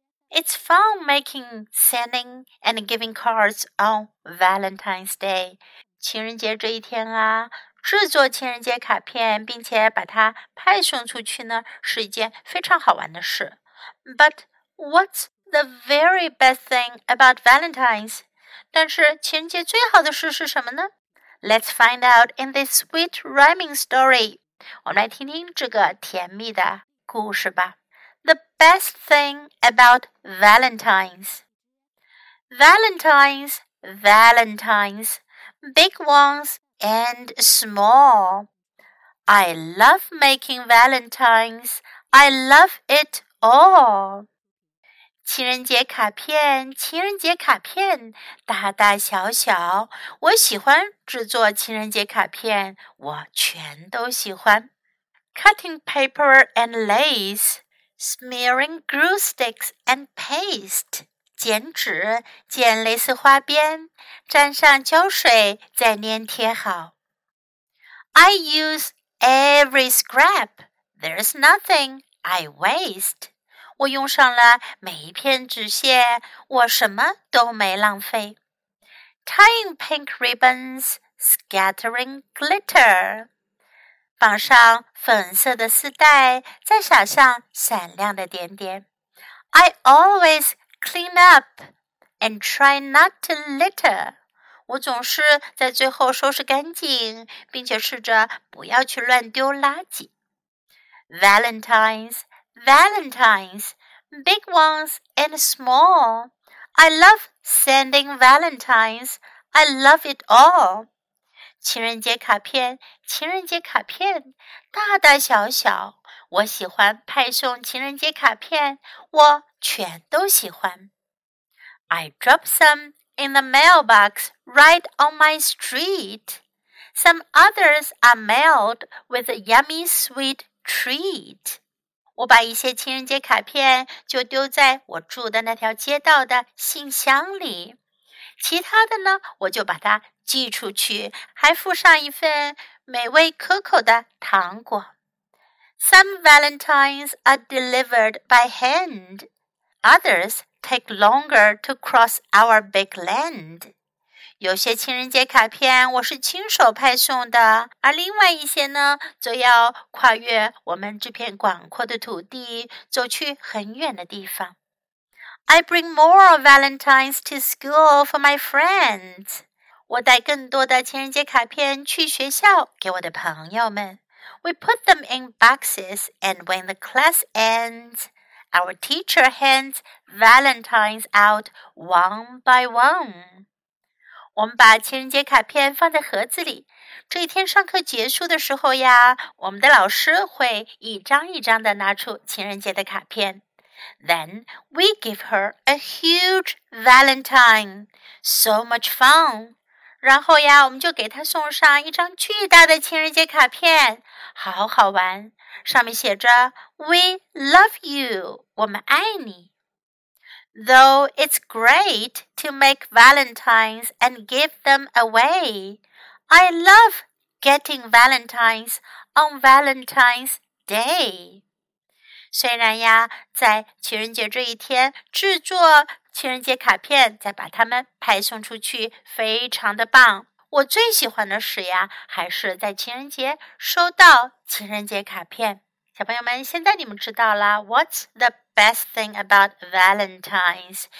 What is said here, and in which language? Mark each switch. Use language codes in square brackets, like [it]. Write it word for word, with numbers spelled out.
[en] It's fun making, sending and giving cards on Valentine's Day。 [zh] 情人节这一天啊，制作情人节卡片并且把它派送出去呢，是一件非常好玩的事。 [en] But what's the very best thing about Valentine's？ [zh] 但是情人节最好的事是什么呢？ [en] Let's find out in this sweet rhyming story. [zh] 我们来听听这个甜蜜的故事吧。 [en] The best thing about Valentine's. Valentine's, Valentine's, big ones and small. I love making Valentine's. I love it all. [zh] 情人节卡片，情人节卡片，大大小小，我喜欢制作情人节卡片，我全都喜欢。 [en] Cutting paper and lace, smearing glue sticks and paste. [zh] 剪纸，剪蕾丝花边，沾上胶水，再粘贴好。 [en] I use every scrap. There's nothing I waste. [zh] 我用上了每一片纸屑，我什么都没浪费。 [en] Tying pink ribbons, scattering glitter. [zh] 绑上粉色的丝带，再撒上闪亮的点点。 [en] I always clean up and try not to litter. [zh] 我总是在最后收拾干净，并且试着不要去乱丢垃圾。 [en] Valentine's. Valentines, big ones and small. I love sending Valentines. I love it all. [zh] 情人节卡片，情人节卡片，大大小小，我喜欢派送情人节卡片，我全都喜欢。 [en] I drop some in the mailbox right on my street. Some others are mailed with a yummy sweet treat. [zh] 我把一些情人节卡片就丢在我住的那条街道的信箱里，其他的呢，我就把它寄出去，还附上一份美味可口的糖果。 [en] Some Valentines are delivered by hand. Others take longer to cross our big land. [zh] 有些情人节卡片我是亲手派送的，而另外一些呢，则要跨越我们这片广阔的土地，走去很远的地方。 [en] I bring more Valentines to school for my friends. [zh] 我带更多的情人节卡片去学校给我的朋友们。 [en] We put them in boxes, and when the class ends, our teacher hands Valentines out one by one. [zh] 我们把情人节卡片放在盒子里，这一天上课结束的时候呀，我们的老师会一张一张的拿出情人节的卡片。 [en] Then we give her a huge Valentine. So much fun. [zh] 然后呀，我们就给她送上一张巨大的情人节卡片，好好玩。上面写着 [en] "We love you," [zh] 我们爱你。 [en] Though it's great to make Valentines and give them away, I love getting Valentines on Valentine's Day. [zh] 虽然呀，在情人节这一天制作情人节卡片，再把它们派送出去，非常的棒。我最喜欢的是呀，还是在情人节收到情人节卡片。小朋友们，现在你们知道啦 [en] ，What's the best thing about Valentine's？